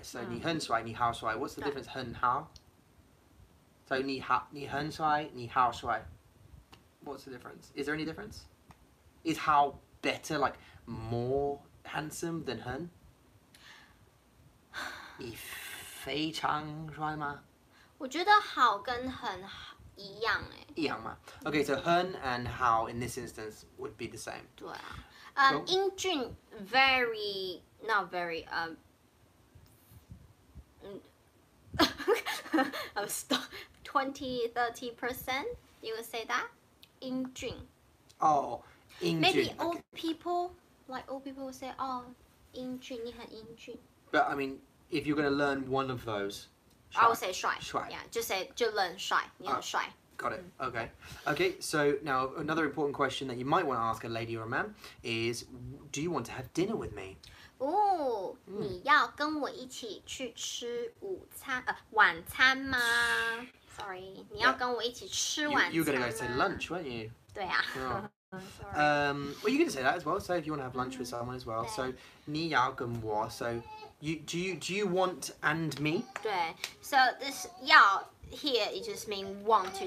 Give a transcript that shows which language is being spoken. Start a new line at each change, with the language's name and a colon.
English: So
Chinese: 你很帅, 你好帅.
English: What's the difference? 很好?So 你很帅, 你好帅.What's the difference? Is there any difference? Is 好 better, like more handsome than 很?
Chinese: 你非常帅吗? 我觉得好跟很一样诶。一样吗?
English: Okay, so 很 and 好 in this instance would be the same.
Chinese: 对啊。
English: 英俊, very, not very, I'm stuck, 20-30%, you would say that?
Chinese: 英俊. Oh, 英俊.
English: Maybe old people, like old people would say, oh, 英俊,
Chinese: 你很英俊.
English: But I mean, if you're going to learn one of those, 帅.I would say 帅.帅.Yeah, just say, 就learn 帅,
Chinese: 你很帅.
English: Got it. Okay. Okay, so now another important question that you might want to ask a lady or a man is, do you want to have dinner with me?
Chinese: Oh, 你要跟我一起去吃晚餐吗? Sorry, 你要跟我一起吃晚餐吗?
English: You're going to go to lunch, weren't you?
Chinese: 对啊.
English: Oh. Well, you're going to say that as well, so if you want to have lunch with someone as well. So,
Chinese: 你要跟我,
English: so, do you want and me? 对, so this 要...Here, it just means want to.